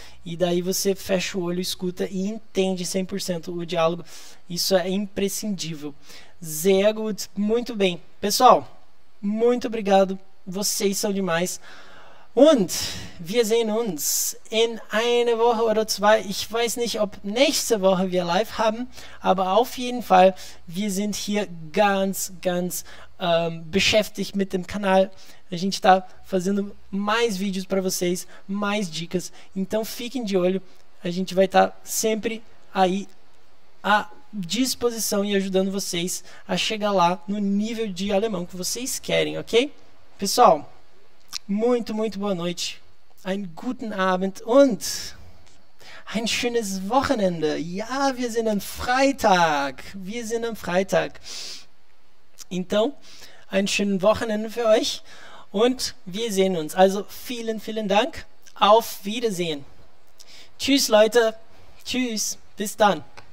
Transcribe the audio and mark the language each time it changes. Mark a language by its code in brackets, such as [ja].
[pt] E daí você fecha o olho, escuta e entende 100% o diálogo. Isso é imprescindível. [de] Sehr gut, [pt] muito bem. Pessoal, muito obrigado. Vocês são demais. [de] Und wir sehen uns in einer Woche oder zwei. Ich weiß nicht, ob nächste Woche wir live haben, aber auf jeden Fall, wir sind hier ganz, ganz beschäftigt mit dem Kanal. [pt] A gente está fazendo mais vídeos para vocês, mais dicas. Então fiquem de olho. A gente vai estar sempre aí à disposição e ajudando vocês a chegar lá no nível de alemão que vocês querem, ok? Pessoal, Muito, muito boa noite. [de] Einen guten Abend und ein schönes Wochenende. Ja, wir sind am Freitag. Wir sind am Freitag. Então, einen schönen Wochenende für euch und wir sehen uns. Also, vielen, vielen Dank. Auf Wiedersehen. Tschüss, Leute. Tschüss. Bis dann.